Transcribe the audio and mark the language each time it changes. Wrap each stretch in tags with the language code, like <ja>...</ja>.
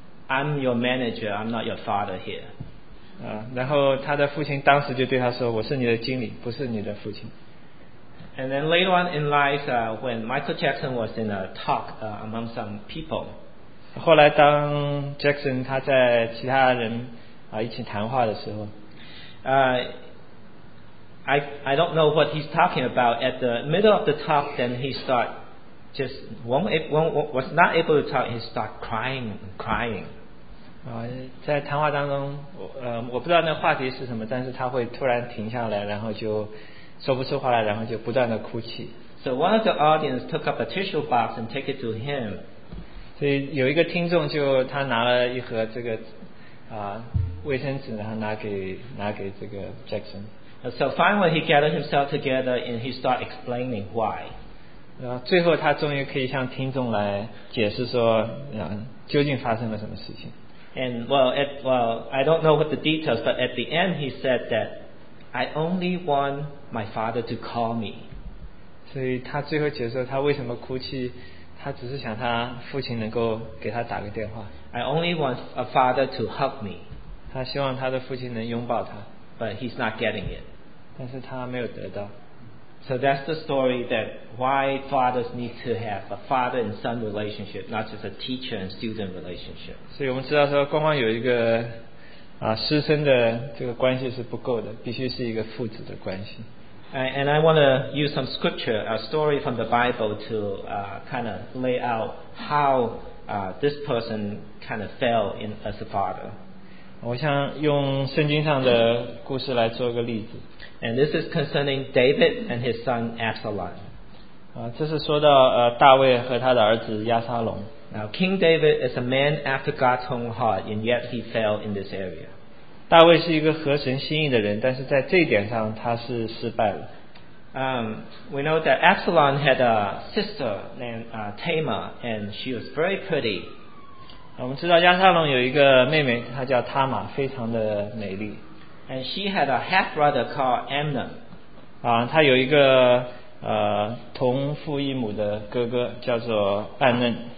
<en>I'm your manager, I'm not your father here.</en> <zh>然后他的父亲当时就对他说，我是你的经理，不是你的父亲。</zh> <en>And then later on in life, when Michael Jackson was in a talk among some people,</en> <zh>后来当 Jackson 他在其他人一起谈话的时候，</zh> <en>I don't know what he's talking about. At the middle of the talk, then he started. Just was not able to talk. He started crying.</en> <zh>在谈话当中，我不知道那话题是什么，但是他会突然停下来，然后就说不出话来，然后就不断的哭泣。</zh> <en>So one of the audience took up a tissue box and take it to him.</en> <zh>所以有一个听众就他拿了一盒这个卫生纸，然后拿给这个 Jackson.</zh> <en>So finally, he gathered himself together and he started explaining why.</en> <zh>然后最后他终于可以向听众来解释说究竟发生了什么事情。</zh> <en>And I don't know what the details, but at the end he said that I only want my father to call me.</en> <zh>所以他最后解释说他为什么哭泣，他只是想他父亲能够给他打个电话。</zh> <en>I only want a father to hug me.</en> <zh>他希望他的父亲能拥抱他。</zh> <en>But he's not getting it.</en> <zh>但是他没有得到。</zh> <en>So that's the story that why fathers need to have a father and son relationship, not just a teacher and student relationship.</en> <zh>所以我们知道说，光光有一个师生的这个关系是不够的，必须是一个父子的关系。</zh> <en>And I want to use some scripture, a story from the Bible, to kind of lay out how this person kind of fell in as a father.</en> <zh>我想用圣经上的故事来做个例子。</zh> <en>And this is concerning David and his son Absalom.</en> <zh>这是说到大卫和他的儿子亚沙龙。</zh> <en>Now King David is a man after God's own heart, and yet he fell in this area.</en> <zh>大卫是一个合神心意的人，但是在这一点上他是失败了。</zh> <en>We know that Absalom had a sister named Tamar, and she was very pretty.</en> <zh>我们知道亚沙龙有一个妹妹，她叫塔玛，非常的美丽。</zh> <en>And she had a half brother called Amnon.</en> <zh>她有一个同父异母的哥哥叫做暗嫩。</zh>